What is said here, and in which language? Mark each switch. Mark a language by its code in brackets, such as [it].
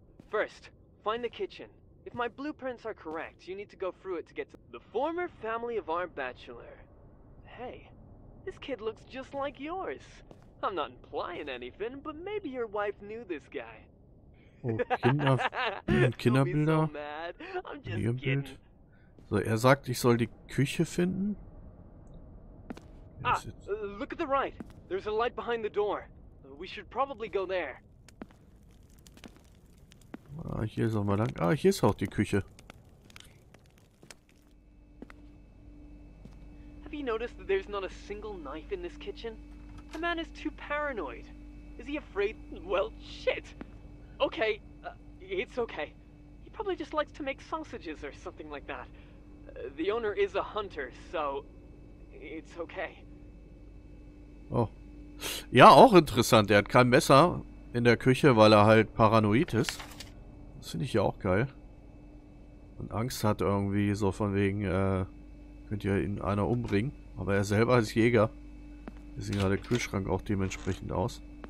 [en] First, find the kitchen. If my blueprints are correct, you need to go through it to get to the former family of our bachelor. Hey. This kid looks just like yours. I'm not implying anything, but maybe your wife knew this guy. [de] Oh, Kinderbilder. Nebenbild. So, er sagt, ich soll die Küche finden. [en] Ah, look at the right. There's a light behind the door. We should probably go there. [de] Ah, hier sollen wir lang. Ah, hier ist auch die Küche. [en] Have you noticed that there's not a single knife in this kitchen? The man is too paranoid. Is he afraid? Well, shit. Okay, it's okay. He probably just likes to make sausages or something like that. The owner is a hunter, so it's okay. [de] Oh. Ja, auch interessant. Er hat kein Messer in der Küche, weil er halt paranoid ist. Das finde ich ja auch geil. Und Angst hat irgendwie so von wegen, könnt ihr ihn einer umbringen. Aber er selber ist Jäger. Wir sehen gerade Kühlschrank auch dementsprechend aus.